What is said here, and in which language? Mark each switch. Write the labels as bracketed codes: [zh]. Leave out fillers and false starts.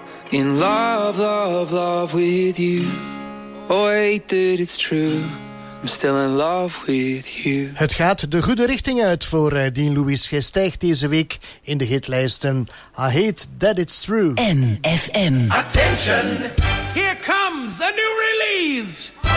[en] in love, love, love with you. Oh, I hate that it's true. I'm still in love with you. [nl] Het gaat de goede richting uit voor Dean Lewis. Hij stijgt deze week in de hitlijsten. [en] I hate that it's true. MFM. Attention! Here comes a new release!